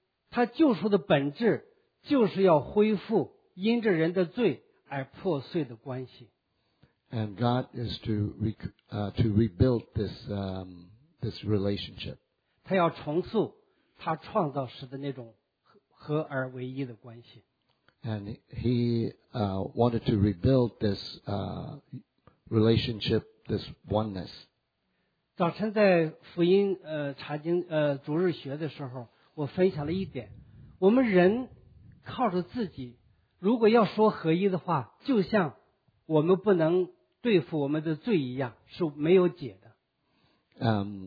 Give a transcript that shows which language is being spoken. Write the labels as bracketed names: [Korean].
[Chinese] 他救赎的本质就是要恢复因着人的罪而破碎的关系。 [English] And God is to rebuild this relationship. [Chinese] 他要重塑他创造时的那种合而为一的关系。 [English] And he wanted to rebuild this relationship, this oneness. [Chinese] 早晨在福音查经逐日学的时候，我分享了一点：我们人靠着自己，如果要说合一的话，就像我们不能对付我们的罪一样，是没有解的。